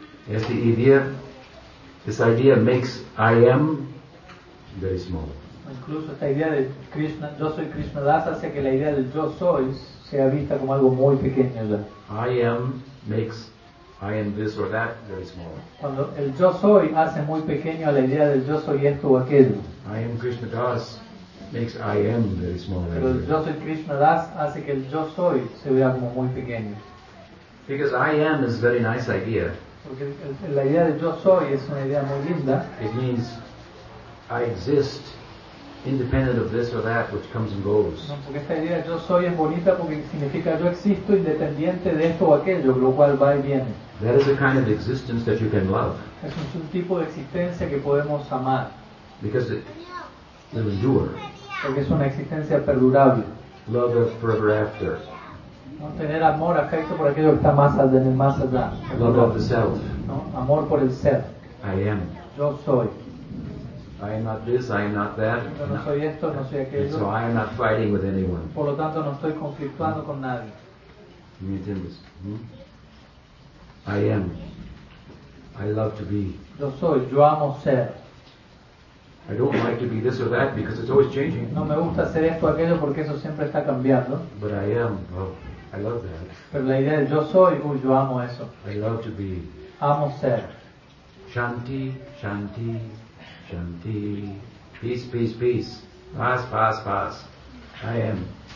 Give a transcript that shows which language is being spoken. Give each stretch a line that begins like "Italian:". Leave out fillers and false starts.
Spanish: Este idea,
English: this idea makes I am very small.
Spanish: Incluso esta idea de Krishna, yo soy Krishna Das, hace que la idea del yo soy sea vista como algo muy pequeño ya.
English: I am makes I am this or that very small.
Spanish: Cuando el yo soy hace muy pequeño la idea del yo soy esto o aquello.
English: I am Krishna Das. Makes I am very small.
Spanish: Pero el yo soy Krishna Das hace que el yo soy se vea como muy pequeño.
English: Because I am is a very nice idea.
Spanish: Porque la idea de yo soy es una idea muy linda.
English: It means I exist independent of this or that which comes and goes.
Spanish: No, porque esta idea de yo soy es bonita porque significa yo existo independiente de esto o aquello, lo cual va y viene.
English: That is a kind of existence that you can love.
Spanish: Es un tipo de existencia que podemos amar.
English: Because it will endure.
Spanish: Porque es una existencia perdurable.
English: Love forever after.
Spanish: No tener amor, afecto por aquello que está más allá, más allá.
English: Love of the self.
Spanish: No, amor por el ser.
English: I am.
Spanish: Yo soy.
English: I am not this, I am not that.
Spanish: Yo no soy esto, no soy aquello.
English: So I am not fighting with anyone.
Spanish: Por lo tanto, no estoy conflictuando con nadie.
English: You understand this? I am. I love to be.
Spanish: Yo soy, yo amo ser.
English: I don't like to be this or that because it's always changing.
Spanish: No me gusta ser esto o aquello porque eso siempre está cambiando.
English: But I am. Oh, I love that.
Spanish: Pero la idea es yo soy, yo amo eso.
English: I love to be.
Spanish: Amo ser.
Sanskrit: Shanti, shanti, shanti.
English: Peace, peace, peace.
Spanish: Paz, paz, paz.
English: I am.